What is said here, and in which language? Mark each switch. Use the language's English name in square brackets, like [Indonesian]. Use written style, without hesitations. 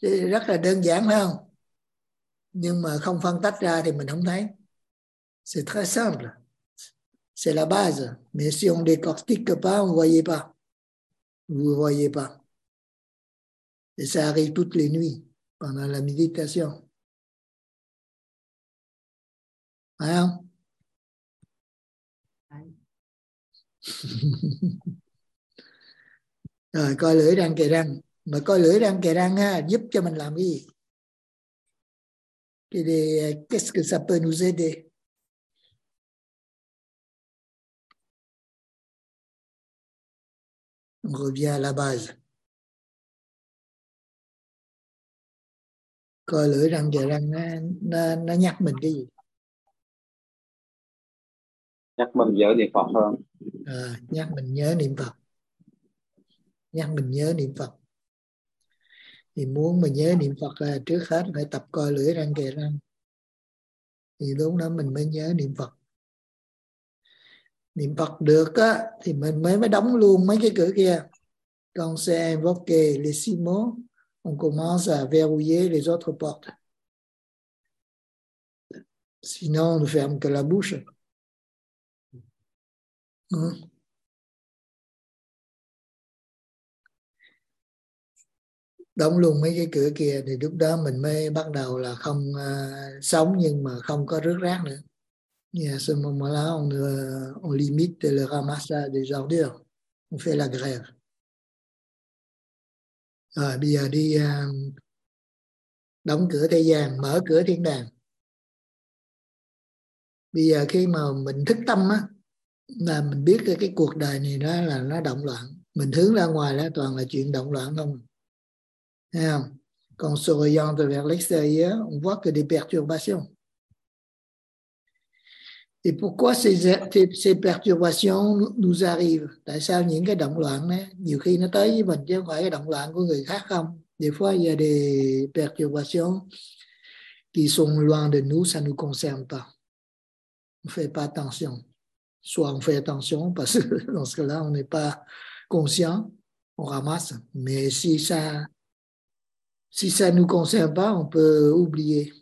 [Vietnamese] Rất là đơn giản phải không? Nhưng mà không phân tách ra thì mình không thấy. [French] C'est très simple. C'est la base. Mais si on décortique pas, on voyez pas. Vous voyez pas. Et ça arrive toutes les nuits pendant la méditation. [Vietnamese] Phải không? Rồi coi lưỡi răng kề răng. Mà coi lưỡi răng kề răng ha, giúp cho mình làm cái gì? [French] Qu'est-ce que ça peut nous aider? On revient à la base. [Vietnamese] Coi lưỡi răng kề răng ha, nó nhắc mình cái gì? Nhắc mình nhớ niệm Phật hơn. À, nhắc mình nhớ niệm Phật. Nhắc mình nhớ niệm Phật. Thì muốn mình nhớ niệm Phật là trước hết phải tập coi lưỡi răng kề răng. Thì lúc đó mình mới nhớ niệm Phật. Niệm Phật được á, thì mình mới đóng luôn mấy cái cửa kia. [French] Quand c'est invoqué les six mots, on commence à verrouiller les autres portes. Sinon, on ne ferme que la bouche. [Vietnamese] Ừ. đóng luôn mấy cái cửa kia thì lúc đó mình mới bắt đầu là không sống nhưng mà không có rước rác nữa. [French] Et à ce moment-là, on limite le ramassage des ordures. On fait la grève. [Vietnamese] Rồi, bây giờ đi đóng cửa thế gian, mở cửa thiên đàng. Bây giờ khi mà mình thức tâm á, là mình biết cái cuộc đời này đó là nó động loạn. Mình hướng ra ngoài là toàn là chuyện động loạn không. Thấy không? [French] Quand on s'oriente vers l'extérieur, on voit que des perturbations. Et pourquoi ces perturbations nous arrivent? [Vietnamese] Tại sao những cái động loạn này, nhiều khi nó tới với mình chứ không phải cái động loạn của người khác không? [French] Des fois, il y a des perturbations qui sont loin de nous, ça ne nous concerne pas. On ne fait pas attention. Soit on fait attention, parce que dans ce cas-là, on n'est pas conscient, on ramasse. Mais si ça ne nous concerne pas, on peut oublier.